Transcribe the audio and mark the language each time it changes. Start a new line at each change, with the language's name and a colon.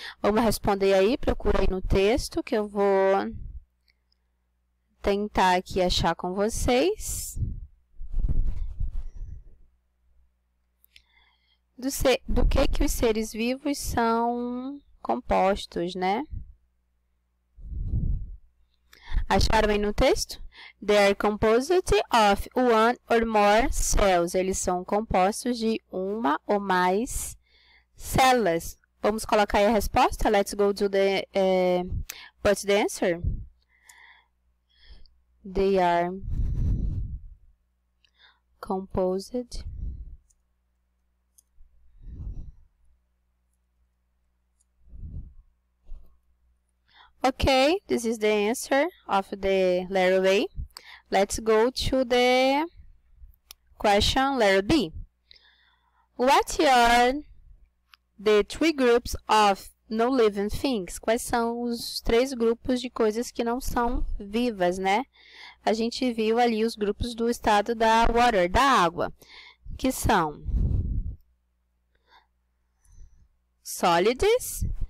Portuguese: Vamos responder aí, procura aí no texto que eu vou tentar aqui achar com vocês. Do que os seres vivos são compostos, né? Acharam aí no texto?
English: They are composed of one or more cells.
Portuguese: Eles são compostos de uma ou mais células. Vamos colocar aí a resposta?
English: Let's go to the put the answer. They are composed Okay, this is the answer of the letter A. Let's go to the question letter B. What are the three groups of non-living things?
Portuguese: Quais são os três grupos de coisas que não são vivas, né? A gente viu ali os grupos do estado da water, da água, que são solids.